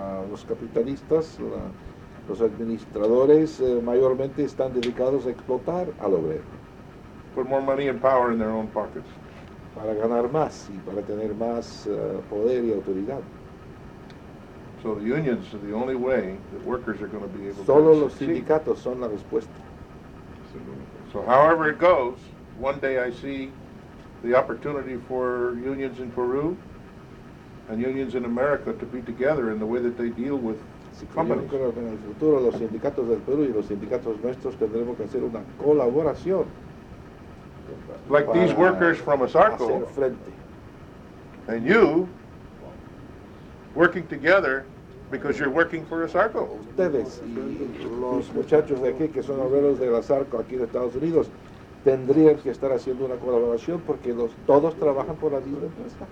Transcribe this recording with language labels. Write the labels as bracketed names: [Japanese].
[Spanish] Los capitalistas, los administradores, mayormente están dedicados a explotar al obrero. [English] Put more money and power in their own pockets. [Spanish] Para ganar más y para tener más poder y autoridad. [English] So the unions are the only way that workers are going to be able [Spanish] solo [English] to succeed. [Spanish] Solo los sindicatos son la respuesta. [English] So however it goes, one day I see the opportunity for unions in Peru and unions in America to be together in the way that they deal with [Spanish] si [English] companies. [Spanish] Creo que en el futuro los sindicatos del Perú y los sindicatos nuestros tendremos que hacer una colaboración. [English] Like these workers from ASARCO. [Spanish] Hacer frente. [English] And you working together because you're working for ASARCO. [Spanish] Ustedes y los muchachos de aquí que son obreros de ASARCO aquí en Estados Unidos tendrían que estar haciendo una colaboración porque todos trabajan por la misma empresa.